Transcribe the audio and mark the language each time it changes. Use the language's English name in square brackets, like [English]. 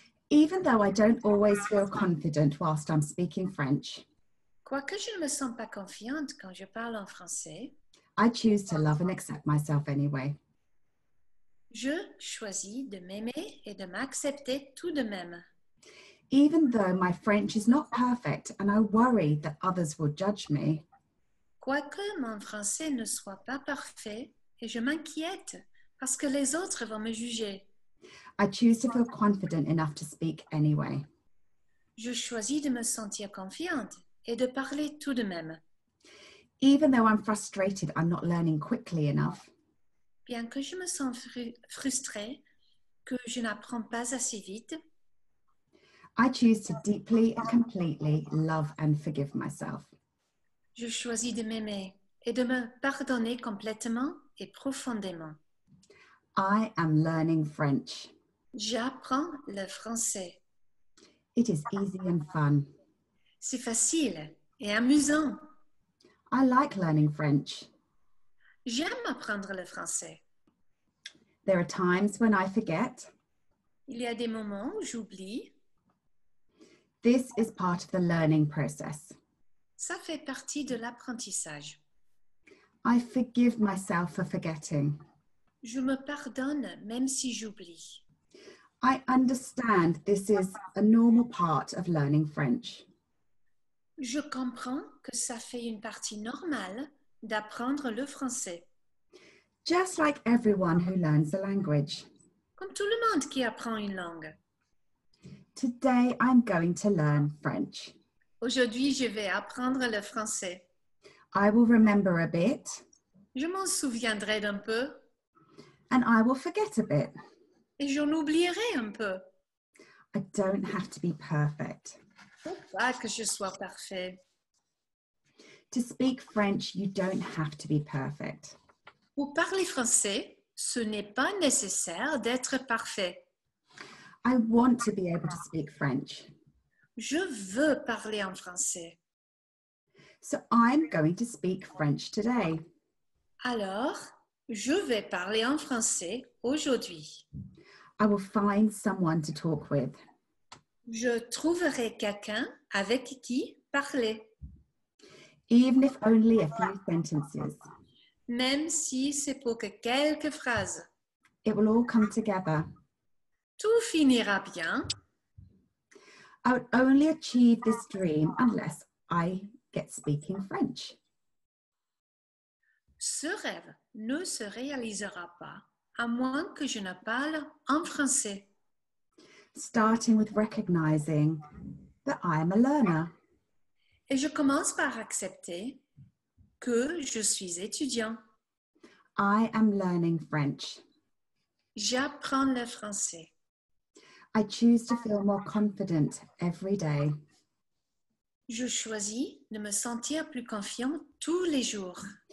[English] Even though I don't always feel confident whilst I'm speaking French, [French] quoique je ne me sens pas confiante quand je parle en français, [English] I choose to love and accept myself anyway. [French] Je choisis de m'aimer et de m'accepter tout de même. [English] Even though my French is not perfect and I worry that others will judge me, [French] quoique mon français ne soit pas parfait et je m'inquiète parce que les autres vont me juger, [English] I choose to feel confident enough to speak anyway. [French] Je choisis de me sentir confiante et de parler tout de même. [English] Even though I'm frustrated, I'm not learning quickly enough. [French] Bien que je me sens frustrée, que je n'apprends pas assez vite, [English] I choose to deeply and completely love and forgive myself. [French] Je choisis de m'aimer et de me pardonner complètement et profondément. [English] I am learning French. [French] J'apprends le français. [English] It is easy and fun. [French] C'est facile et amusant. [English] I like learning French. [French] J'aime apprendre le français. [English] There are times when I forget. [French] Il y a des moments où j'oublie. [English] This is part of the learning process. [French] Ça fait partie de l'apprentissage. [English] I forgive myself for forgetting. [French] Je me pardonne même si j'oublie. [English] I understand this is a normal part of learning French. [French] Je comprends que ça fait une partie normale d'apprendre le français. [English] Just like everyone who learns a language. [French] Comme tout le monde qui apprend une langue. [English] Today, I'm going to learn French. [French] Aujourd'hui, je vais apprendre le français. [English] I will remember a bit. [French] Je m'en souviendrai d'un peu. [English] And I will forget a bit. [French] Et j'en oublierai un peu. [English] I don't have to be perfect. [French] Pas que je sois parfait. [English] To speak French, you don't have to be perfect. [French] Pour parler français, ce n'est pas nécessaire d'être parfait. [English] I want to be able to speak French. [French] Je veux parler en français. [English] So I'm going to speak French today. [French] Alors, je vais parler en français aujourd'hui. [English] I will find someone to talk with. [French] Je trouverai quelqu'un avec qui parler. [English] Even if only a few sentences. [French] Même si c'est pour que quelques phrases. [English] It will all come together. [French] Tout finira bien. [English] I would only achieve this dream unless I get speaking French. [French] Ce rêve ne se réalisera pas à moins que je ne parle en français. [English] Starting with recognizing that I am a learner. [French] Et je commence par accepter que je suis étudiant. [English] I am learning French. [French] J'apprends le français. [English] I choose to feel more confident every day. [French] Je choisis de me sentir plus confiant tous les jours.